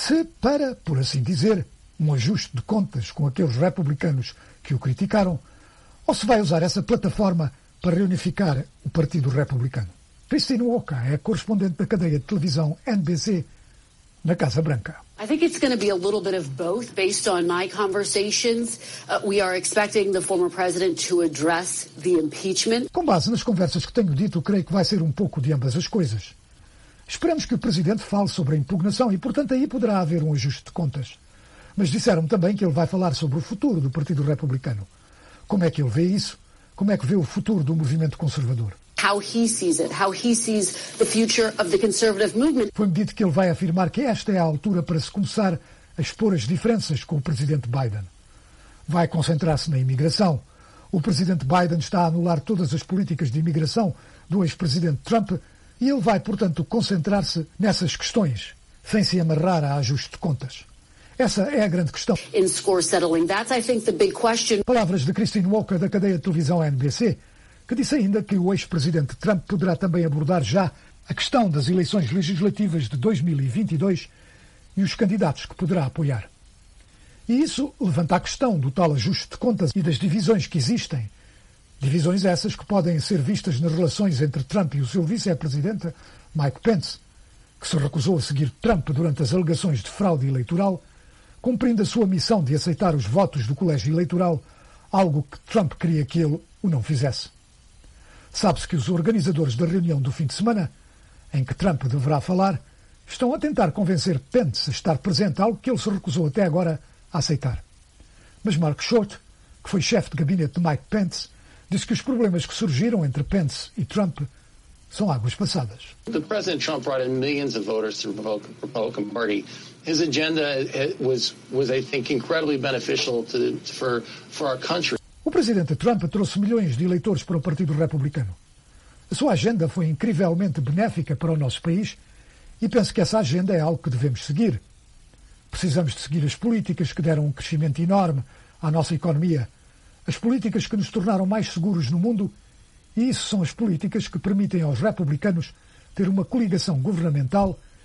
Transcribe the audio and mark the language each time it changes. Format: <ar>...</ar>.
<pt>Se para, por assim dizer, um ajuste de contas com aqueles republicanos que o criticaram, ou se vai usar essa plataforma para reunificar o Partido Republicano. Christine Walker é correspondente da cadeia de televisão NBC na Casa Branca.</pt> <en>I think it's going to be a little bit of both based on my conversations. We are expecting the former president to address the impeachment.</en> <pt>Com base nas conversas que tenho dito, creio que vai ser um pouco de ambas as coisas. Esperamos que o presidente fale sobre a impugnação e, portanto, aí poderá haver um ajuste de contas. Mas disseram-me também que ele vai falar sobre o futuro do Partido Republicano. Como é que ele vê isso? Como é que vê o futuro do movimento conservador?</pt> <en>How he sees it, how he sees the future of the conservative movement.</en> <pt>Foi-me dito que ele vai afirmar que esta é a altura para se começar a expor as diferenças com o presidente Biden. Vai concentrar-se na imigração. O presidente Biden está a anular todas as políticas de imigração do ex-presidente Trump e ele vai, portanto, concentrar-se nessas questões, sem se amarrar a ajuste de contas. Essa é a grande questão.</pt> <en>In score settling, that's, I think, the big question.</en> <pt>Palavras de Christine Walker, da cadeia de televisão NBC, que disse ainda que o ex-presidente Trump poderá também abordar já a questão das eleições legislativas de 2022 e os candidatos que poderá apoiar. E isso levanta a questão do tal ajuste de contas e das divisões que existem. Divisões essas que podem ser vistas nas relações entre Trump e o seu vice-presidente, Mike Pence, que se recusou a seguir Trump durante as alegações de fraude eleitoral, cumprindo a sua missão de aceitar os votos do colégio eleitoral, algo que Trump queria que ele o não fizesse. Sabe-se que os organizadores da reunião do fim de semana, em que Trump deverá falar, estão a tentar convencer Pence a estar presente, algo que ele se recusou até agora a aceitar. Mas Mark Short, que foi chefe de gabinete de Mike Pence, disse que os problemas que surgiram entre Pence e Trump são águas passadas. O presidente</pt> <en>Trump brought in millions of voters to the Republican Party. His agenda was, I think, incredibly beneficial for our country.</en> <pt>O presidente Trump trouxe milhões de eleitores para o Partido Republicano. A sua agenda foi incrivelmente benéfica para o nosso país e penso que essa agenda é algo que devemos seguir. Precisamos de seguir as políticas que deram um crescimento enorme à nossa economia, as políticas que nos tornaram mais seguros no mundo, e isso são as políticas que permitem aos republicanos ter uma coligação governamental.</pt>